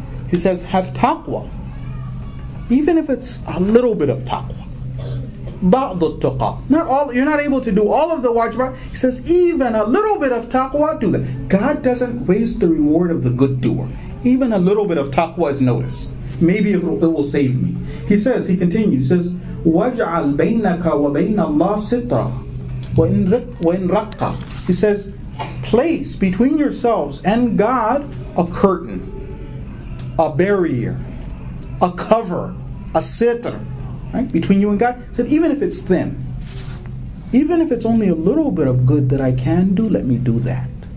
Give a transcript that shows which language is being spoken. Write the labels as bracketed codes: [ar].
[en] He says, have taqwa. Even if it's a little bit of taqwa. Ba'd at-tuqa. Not all, you're not able to do all of the wajibat. He says, even a little bit of taqwa, do that. God doesn't waste the reward of the good doer. Even a little bit of taqwa is noticed. Maybe it will save me. He says, he continues, says, [ar] وَاجْعَلْ بَيْنَكَ وَبَيْنَ اللَّهِ سِتْرًا وَإِنْ رَقَّ. [en] He says, place between yourselves and God a curtain, a barrier, a cover, a sitr, right? Between you and God. He said, even if it's thin, even if it's only a little bit of good that I can do, let me do that.